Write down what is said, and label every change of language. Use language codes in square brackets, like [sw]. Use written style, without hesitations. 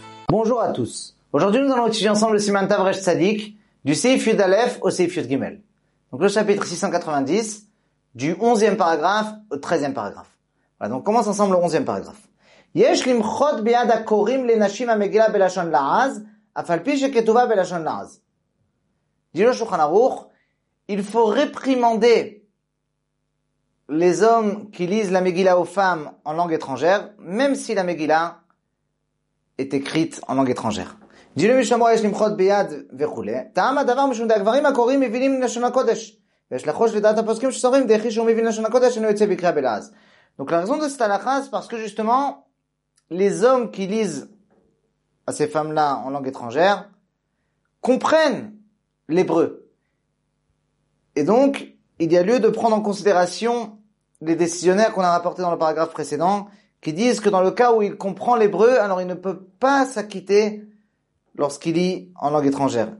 [fr] Bonjour à tous. Aujourd'hui, nous allons étudier ensemble le Siman Tavresh Tzadik du Seif Yud Aleph au Seif Yud Gimel. Donc le chapitre 690 du 11e paragraphe au 13e paragraphe. Voilà, donc on commence ensemble le 11e paragraphe. [he] יש למחות ביד הקוראים לנשים המגילה בלשון לעז, אף על פי שכתובה בלשון לעז. דיו לשולחן ערוך, [fr] il faut réprimander les hommes qui lisent la Megillah aux femmes en langue étrangère, même si la Megillah est écrite en langue étrangère. [he] דיו למשמור, יש למחות ביד וכו'. טעם הדבר משום דהגברים הקוראים מבינים לשון הקודש, ויש לחוש לדעת הפוסקים שסורים, דרך שהוא מבין לשון הקודש, אינו יוצא בקריאה בלעז. [fr] Donc la raison de cette halakha, c'est parce que justement, les hommes qui lisent à ces femmes-là en langue étrangère comprennent l'hébreu. Et donc, il y a lieu de prendre en considération les décisionnaires qu'on a rapportés dans le paragraphe précédent, qui disent que dans le cas où il comprend l'hébreu, alors il ne peut pas s'acquitter lorsqu'il lit en langue étrangère.